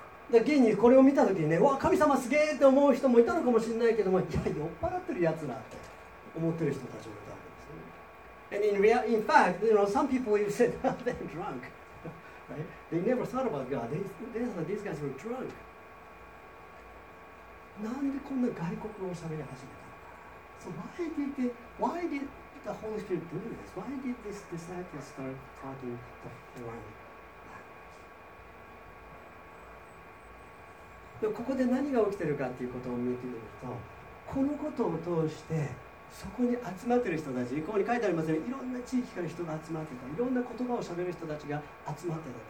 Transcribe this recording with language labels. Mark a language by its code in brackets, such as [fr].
[ja] で、現にこれを見たときにね、わ、神様すげーって思う人もいたのかもしれないけども、いや、酔っ払ってるやつらって思ってる人たちも、 [en] And in fact, you know, some people even said, they're drunk. Right? They never thought about God. They thought these guys were drunk. [ja] なんでこんな外国語を喋り始めたの？ [en] So why did the Holy Spirit do this? Why did this disciple start talking the foreign language? [ja] ここで何が起きてるかっていうことを見てみると、このことを通して、そこに集まってる人たち、ここに書いてありますよね、いろんな地域から人が集まってた、いろんな言葉を喋る人たちが集まってたって書いてある。